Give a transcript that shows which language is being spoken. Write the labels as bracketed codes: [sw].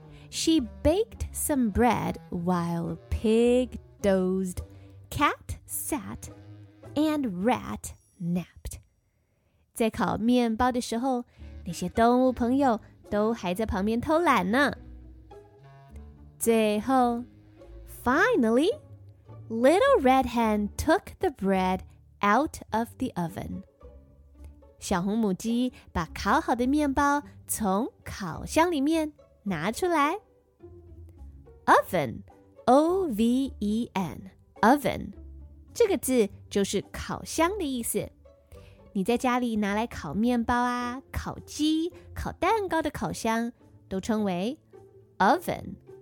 [en] She baked some bread while pig dozed cat sat and rat napped [zh] 在烤面包的时候那些动物朋友都还在旁边偷懒呢最后 [en] Finally, Little Red Hen took the bread out of the oven. [zh] 小红母鸡把烤好的面包从烤箱里面拿出来。 [en] Oven, O-V-E-N, oven. [zh] 这个字就是烤箱的意思。你在家里拿来烤面包啊、烤鸡、烤蛋糕的烤箱都称为 oven。